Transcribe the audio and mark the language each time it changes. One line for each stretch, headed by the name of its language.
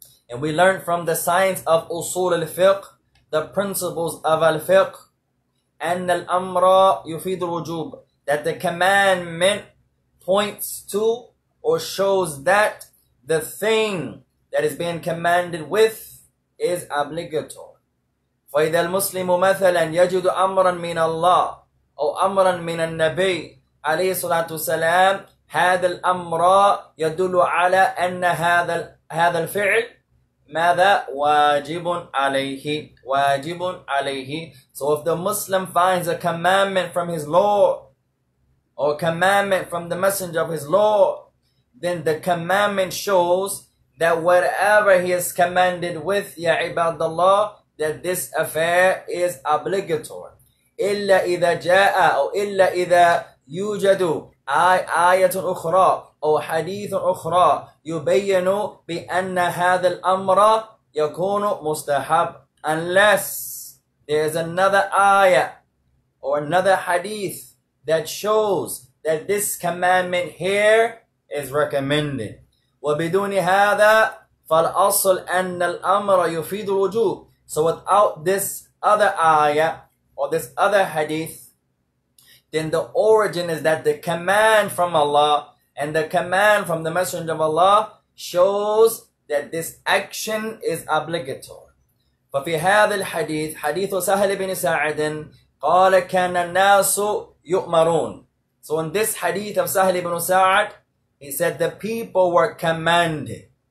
English: And we learned from the science of usul al-fiqh, the principles of al-fiqh,
Arabic: أن الأمر يفيد الوجوب.
English: That the commandment points to or shows that the thing that is being commanded with is obligatory.
Arabic: فإذا المسلم مثلا يجد أمرا من الله أو أمرا من النبي عليه الصلاة والسلام هذا الأمر يدل على أن هذا الفعل ماذا واجب عليه واجب عليه.
English: So if the Muslim finds a commandment from his Lord or a commandment from the messenger of his Lord, then the commandment shows that whatever he is commanded with,
Arabic: يا عباد الله,
English: that this affair is obligatory.
Arabic: إلا إذا جاء أو إلا إذا يوجد آية أخرى أو حديث أخرى يبين بأن هذا الأمر يكون مستحب.
English: Unless there is another ayah or another hadith that shows that this commandment here is recommended.
Arabic: وبدون هذا فالأصل أن الأمر يفيد الوجوب.
English: So without this other ayah or this other hadith, then the origin is that the command from Allah and the command from the Messenger of Allah shows that this action is obligatory.
Arabic: ففي هذا الحديث حديث سهل بن سعد قال كان الناس يؤمرون.
English: So in this hadith of سهل بن سعد, he said the people were commanded.